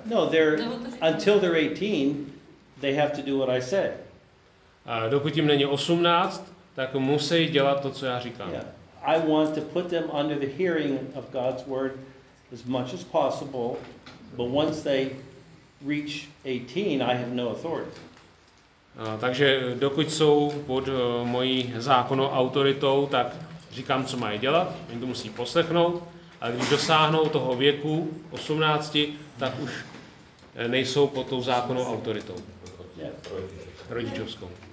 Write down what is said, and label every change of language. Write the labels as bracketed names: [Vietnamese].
[English] No, they're until they're 18, they have to do what I say. [Czech] A dokud jim není 18, tak musí dělat to, co já říkám. [English] Yeah. I want to put them under the hearing of God's word as much as possible, but once they reach 18, I have no authority. [Czech] Takže dokud jsou pod mojí zákonnou autoritou, tak říkám, co mají dělat, oni to musí poslechnout, a když dosáhnou toho věku 18, tak už nejsou pod tou zákonnou autoritou. [English] Yeah. [Czech] Rodičovskou.